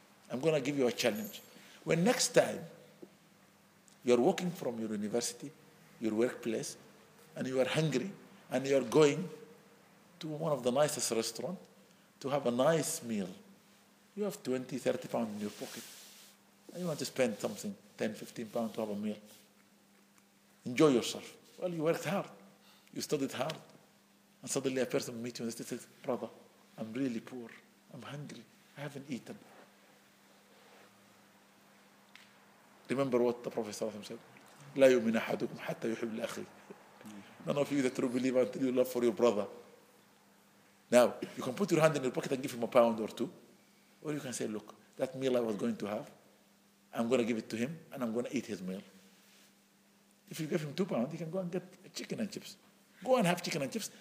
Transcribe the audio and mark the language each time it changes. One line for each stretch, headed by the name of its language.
English: I'm going to give you a challenge. When next time you're walking from your university, your workplace, and you are hungry, and you are going to one of the nicest restaurants to have a nice meal, you have 20, 30 pounds in your pocket, and you want to spend something, 10, 15 pounds to have a meal. Enjoy yourself. Well, you worked hard. You studied hard. And suddenly a person meets you and says, brother, I'm really poor. I'm hungry. I haven't eaten. Remember what the Prophet said.
Arabic: لا يؤمن أحدكم حتى يحب لأخيه.
English: None of you is a true believer until you love for your brother. Now, you can put your hand in your pocket and give him a pound or two. Or you can say, look, that meal I was going to have, I'm going to give it to him and I'm going to eat his meal. If you give him £2, he can go and get chicken and chips. Go and have chicken and chips.